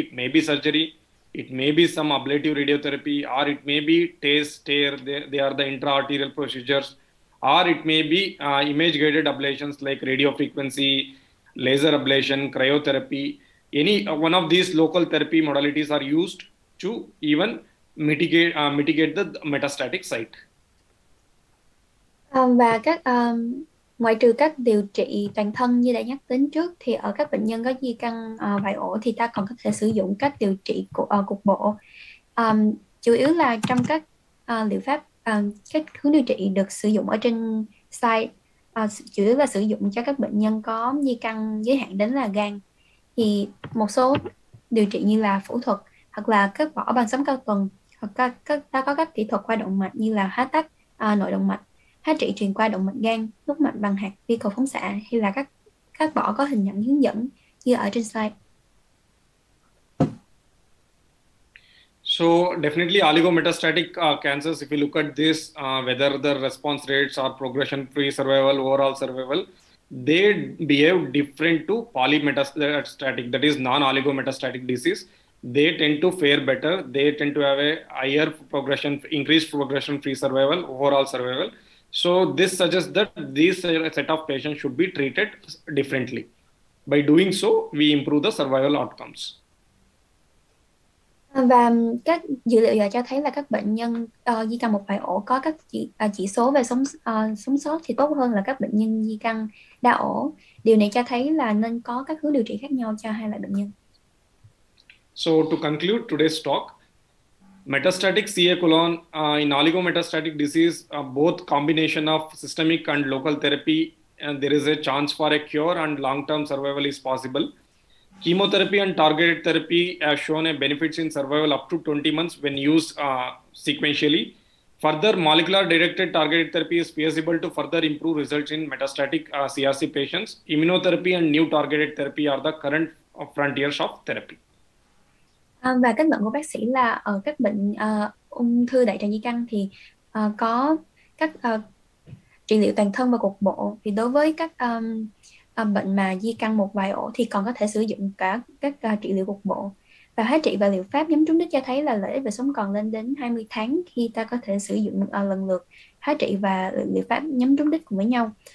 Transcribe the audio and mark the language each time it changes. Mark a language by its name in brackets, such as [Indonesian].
[English] It may be surgery, it may be some ablative radiotherapy, or it may be TACE, TARE, they are the intra-arterial procedures, or it may be image-guided ablations like radiofrequency, laser ablation, cryotherapy. Any one of these local therapy modalities are used to even mitigate the metastatic site. [Vietnamese] Và các ngoại trừ các điều trị toàn thân như đã nhắc đến trước, thì ở các bệnh nhân có di căn vài ổ thì ta còn có thể sử dụng các điều trị cục bộ. Chủ yếu là trong các liệu pháp, các hướng điều trị được sử dụng ở trên site, chủ yếu là sử dụng cho các bệnh nhân có di căn giới hạn đến là gan. Thì một số điều trị như là phẫu thuật, hoặc là cắt bỏ bằng sóng cao tần, hoặc ta có các kỹ thuật qua động mạch như là hóa tắc nội động mạch, hóa trị truyền qua động mạch gan, đúc mạch bằng hạt vi cầu phóng xạ, hay là các cắt bỏ có hình ảnh hướng dẫn như ở trên slide. [English] So definitely oligometastatic cancers, if you look at this, whether the response rates or progression-free survival, overall survival, they behave different to polymetastatic, that is non-oligometastatic disease. They tend to fare better. They tend to have a higher progression, increased progression-free survival, overall survival. So this suggests that this set of patients should be treated differently. By doing so, we improve the survival outcomes. [Vietnamese] Và các dữ liệu giờ cho thấy là các bệnh nhân di căn một vài ổ có các chỉ số về sống sống sót thì tốt hơn là các bệnh nhân di căn đa ổ. Điều này cho thấy là nên có các hướng điều trị khác nhau cho hai loại bệnh nhân. [English] So to conclude today's talk, metastatic CA colon in oligometastatic disease, both combination of systemic and local therapy, and there is a chance for a cure and long-term survival is possible. Chemotherapy and targeted therapy have shown a benefits in survival up to 20 months when used sequentially. Further, molecular-directed targeted therapy is feasible to further improve results in metastatic CRC patients. Immunotherapy and new targeted therapy are the current frontiers of therapy. [Vietnamese] Và kết luận của bác sĩ là ở các bệnh ung thư đại tràng di căn thì có các trị liệu toàn thân và cục bộ. Thì đối với các bệnh mà di căn một vài ổ thì còn có thể sử dụng cả các trị liệu cục bộ. Và hóa trị và liệu pháp nhắm trúng đích cho thấy là lợi ích về sống còn lên đến 20 tháng khi ta có thể sử dụng lần lượt hóa trị và liệu pháp nhắm trúng đích cùng với nhau.